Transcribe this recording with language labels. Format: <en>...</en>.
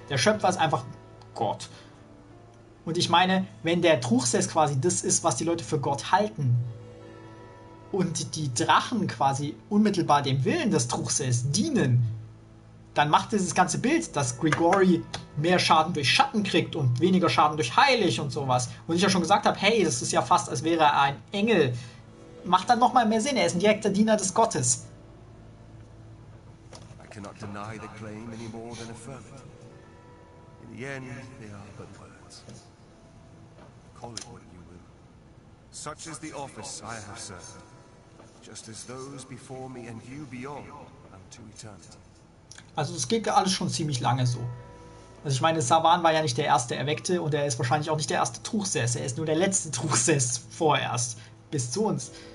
<de>Der Schöpfer ist einfach Gott. Und ich meine, wenn der Truchsess quasi das ist, was die Leute für Gott halten, und die Drachen quasi unmittelbar dem Willen des Truchsess dienen, dann macht dieses ganze Bild, dass Grigori mehr Schaden durch Schatten kriegt und weniger Schaden durch Heilig und sowas. Und ich ja schon gesagt habe, hey, das ist ja fast, als wäre er ein Engel. Macht dann nochmal mehr Sinn, er ist ein direkter Diener des Gottes.</de> <en>I cannot deny the claim any more than affirm it. In the end, they are but words. Call it what you will. Such is the office I have served. Just as those before me and you beyond unto eternity.</en> <de>Also es geht ja alles schon ziemlich lange so. Also ich meine, Savan war ja nicht der erste Erweckte und er ist wahrscheinlich auch nicht der erste Truchsess. Er ist nur der letzte Truchsess vorerst bis zu uns.</de>